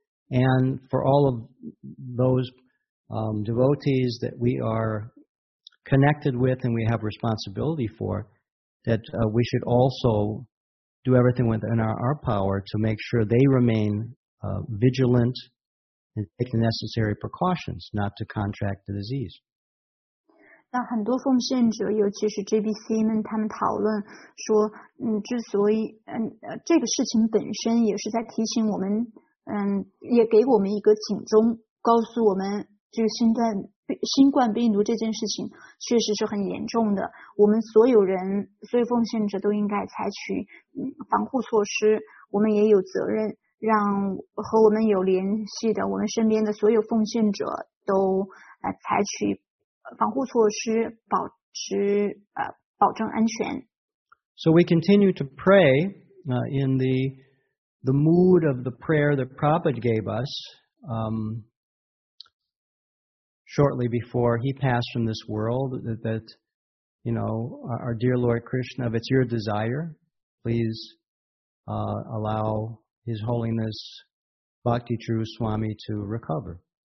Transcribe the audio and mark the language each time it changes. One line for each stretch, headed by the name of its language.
English: And for all of those devotees that we are connected with and we have responsibility for, that we should also do everything within our power to make sure they remain vigilant and take the necessary precautions not to contract the disease.
Chinese: 那很多奉献者，尤其是 JBC 们，他们讨论说，之所以，这个事情本身也是在提醒我们，也给我们一个警钟，告诉我们这个新冠病毒这件事情确实是很严重的。我们所有人，所有奉献者都应该采取防护措施。我们也有责任让和我们有联系的我们身边的所有奉献者都采取防护措施，保持保证安全。
English: So we continue to pray in the mood of the prayer that Prabhupada gave us shortly before he passed from this world. That you know, our dear Lord Krishna, if it's your desire, please allow His Holiness Bhakti Tru Swami to recover.